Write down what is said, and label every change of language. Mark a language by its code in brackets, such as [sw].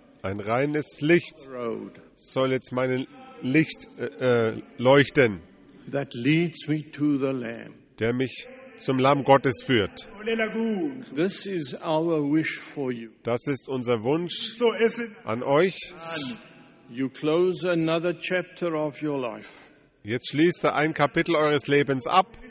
[de] Ein reines Licht soll jetzt mein Licht leuchten, [en] that leads me to the Lamb. [de] Der mich zum Lamm Gottes führt. [en] This is our wish for you. [de] Das ist unser Wunsch an euch. [en] You close another chapter of your life. [de] Jetzt schließt er ein Kapitel eures Lebens ab